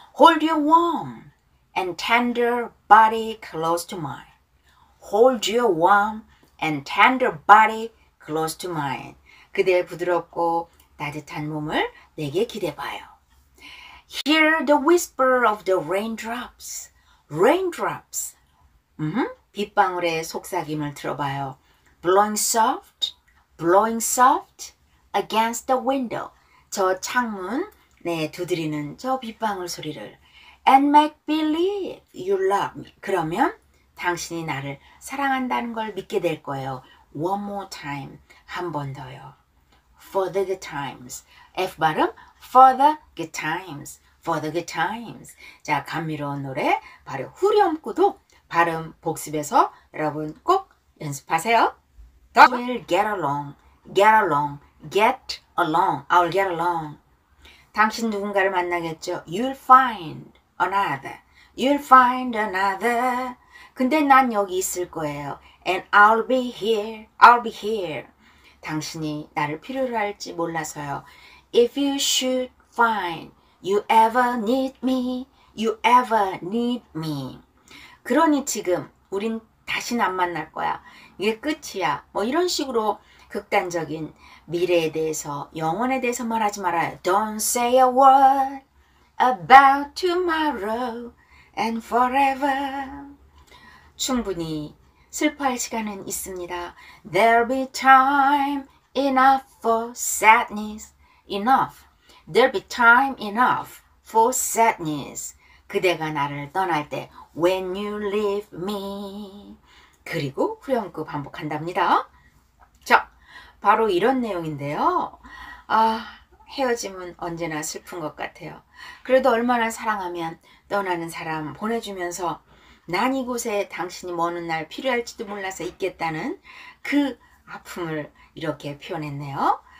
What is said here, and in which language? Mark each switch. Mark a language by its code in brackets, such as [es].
[en] Hold your warm and tender body close to mine. Hold your warm and tender body close to mine. [ko] 그대의 부드럽고 따뜻한 몸을 내게 기대봐요. [en] Hear the whisper of the raindrops raindrops. [ko] 빗방울의 속삭임을 들어봐요. [en] Blowing soft against the window. [ko] 저 창문 네, 두드리는 저 빗방울 소리를. [en] And make believe you love me. [ko] 그러면 당신이 나를 사랑한다는 걸 믿게 될 거예요. [en] One more time. [ko] 한 번 더요. [en] For the good times. F 발음. For the good times. For the good times. [ko] 자, 감미로운 노래. 바로 후렴구도 발음 복습해서 여러분 꼭 연습하세요. [en] We'll get along. Get along. Get along. I'll get along. [ko] 당신 누군가를 만나겠죠. [en] You'll find another. You'll find another. [ko] 근데 난 여기 있을 거예요. [en] And I'll be here. I'll be here. [ko] 당신이 나를 필요로 할지 몰라서요. [en] If you should find you ever need me, you ever need me. [ko] 그러니 지금 우린 다시는 안 만날 거야. 이게 끝이야. 뭐 이런 식으로 극단적인 미래에 대해서, 영원에 대해서 말하지 말아요. [en] Don't say a word about tomorrow and forever. [ko] 충분히 슬퍼할 시간은 있습니다. [en] There'll be time enough for sadness. Enough. There'll be time enough for sadness. [ko] 그대가 나를 떠날 때. [en] When you leave me. [ko] 그리고 후렴구 반복한답니다. 자, 바로 이런 내용인데요. 아, 헤어짐은 언제나 슬픈 것 같아요. 그래도 얼마나 사랑하면 떠나는 사람 보내주면서 난 이곳에 당신이 머는 날 필요할지도 몰라서 있겠다는 그 아픔을 이렇게 표현했네요.